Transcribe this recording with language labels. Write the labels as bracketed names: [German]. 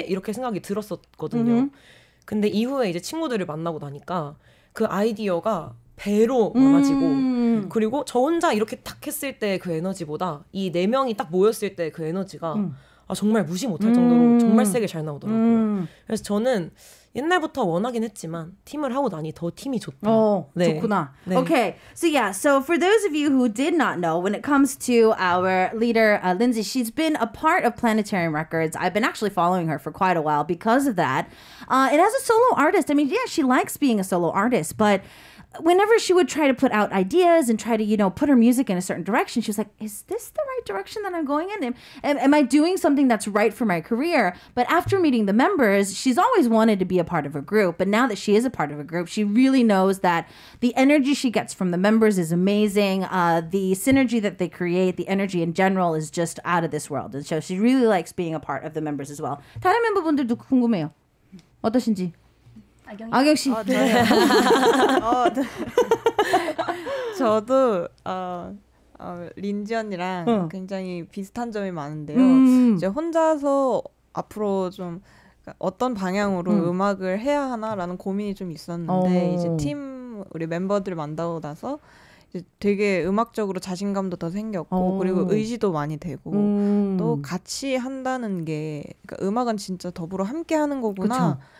[Korean] 이렇게 생각이 들었었거든요. 근데 이후에 이제 친구들을 만나고 나니까 그 아이디어가 배로 많아지고 그리고 저 혼자 이렇게 딱 했을 때 그 에너지보다 이 네 명이 딱 모였을 때 그 에너지가 정말 무시 못할 정도로 정말 세게 잘 나오더라고요. 그래서 저는 옛날부터 원하긴 했지만 팀을 하고 나니 더 팀이 좋다. 네. 좋구나. 네. [English] Okay, so yeah, so for those of you who did not know, when it comes to our leader Lindsay, she's been a part of Planetarium Records. I've been actually following her for quite a while because of that. And as a solo artist, I mean, yeah, she likes being a solo artist, but whenever she would try to put out ideas and try to, you know, put her music in a certain direction, she was like, is this the right direction that I'm going in? Am I doing something that's right for my career? But after meeting the members, she's always wanted to be a part of a group. But now that she is a part of a group, she really knows that the energy she gets from the members is amazing. The synergy that they create, the energy in general is just out of this world. And so she really likes being a part of the members as well. [Korean] 다른 멤버분들도 궁금해요. 어떠신지? 아경 씨. 저도 린지 언니랑 굉장히 비슷한 점이 많은데요. 이제 혼자서 앞으로 좀 어떤 방향으로 음악을 해야 하나라는 고민이 좀 있었는데 이제 팀 우리 멤버들 만나고 나서 이제 되게 음악적으로 자신감도 더 생겼고 그리고 의지도 많이 되고 또 같이 한다는 게 그러니까 음악은 진짜 더불어 함께 하는 거구나. 그쵸?